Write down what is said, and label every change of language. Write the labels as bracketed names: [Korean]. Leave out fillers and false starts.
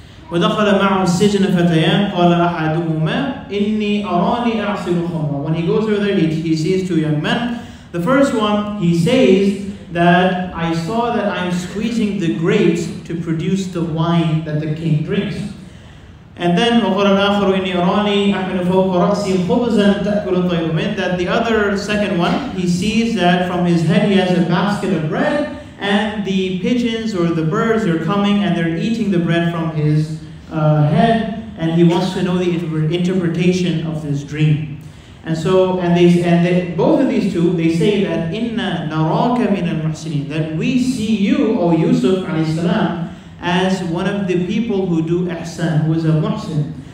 [Arabic] وَدَخَلَ مَعُوا السِّجْنَ فَتَيَانْ قَالَ أَحَدُهُمَا إِنِّي أَرَانِي أَعْصِرُ خَمْرًا. [English] When he goes over there, he sees two young men. The first one, he says that I saw that I'm squeezing the grapes to produce the wine that the king drinks. And then [Arabic] وَقَالَ الْآخَرُ إِنِّي أَرَانِي أَحْمِلُ فَوْقَ رَأْسِي خُبْزًا تَأْكُلُ الطَّيْرُ مِنْهُ. [English] That the other, second one, he sees that from his head he has a basket of bread, and the pigeons or the birds are coming and they're eating the bread from his head, and he wants to know the interpretation of this dream. And so, both of these two say that [Arabic] inna naraka min al muhsinin, [English] that we see you, O Yusuf alayhi salam, as one of the people who do ihsan, who is a muhsin.